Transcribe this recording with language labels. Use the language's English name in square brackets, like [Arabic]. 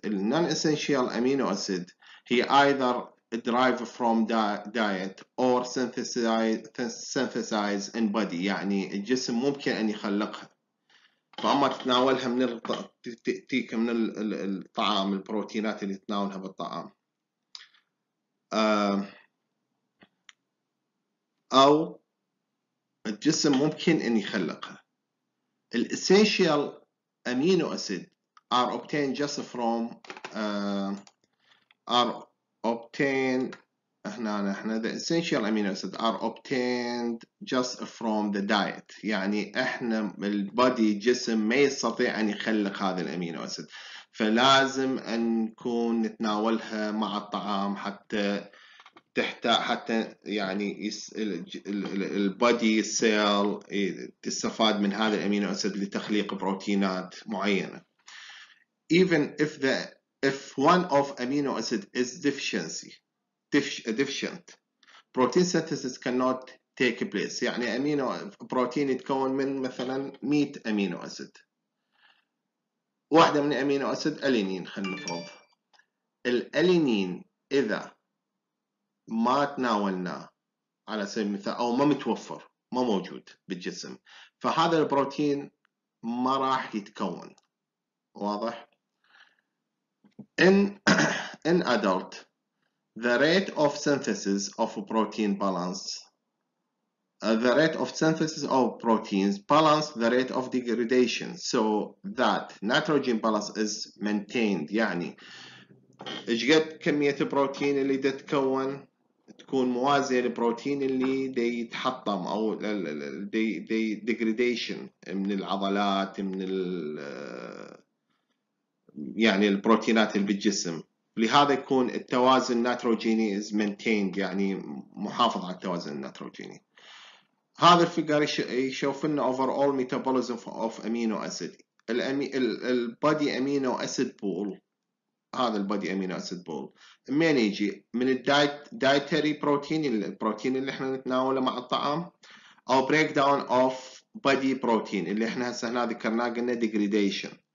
[Arabic] النون essential amino acid هي [English] either derived from diet or synthesized in body، [Arabic] يعني الجسم ممكن أن يخلقها، فأما تتناولها من تأتيك من الطعام، البروتينات اللي تتناولها بالطعام، أو الجسم ممكن أن يخلقها. [English] الـ essential amino acids are obtained just from are obtained [Arabic] احنا [English] the essential amino acid are obtained just from the diet. [Arabic] يعني احنا البادي جسم ما يستطيع ان يخلق هذا الامينو اسيد، فلازم ان نكون نتناولها مع الطعام حتى تحتاج، حتى يعني البادي سيل تستفاد من هذا الامينو اسيد لتخليق بروتينات معينة. [English] even if the if one of amino acid is deficiency deficient protein synthesis cannot take place. [Arabic] يعني امينو بروتين يتكون من مثلا 100 امينو اسيد، واحدة من الامينو اسيد الينين، خلينا نفرض الالينين اذا ما تناولناه على سبيل المثال او ما متوفر ما موجود بالجسم، فهذا البروتين ما راح يتكون. واضح؟ [English] In adult, the rate of synthesis of a protein balance, the rate of synthesis of proteins balance the rate of degradation so that nitrogen balance is maintained. [Arabic] يعني ايش قد كمية البروتين اللي دي تتكون تكون موازية للبروتين اللي دي يتحطم او دي degradation من العضلات، من ال يعني البروتينات اللي بالجسم. لهذا يكون التوازن النيتروجيني [English] is maintained، [Arabic] يعني محافظ على التوازن النيتروجيني. هذا الفيجر يشوف لنا [English] overall metabolism of amino acid. [Arabic] البادي امينو اسيد بول، هذا البادي امينو اسيد بول منين يجي؟ من الدايتري بروتين، البروتين اللي احنا نتناوله مع الطعام، او بريك داون اوف بادي بروتين اللي احنا هسه هنا ذكرناه قلنا degradation.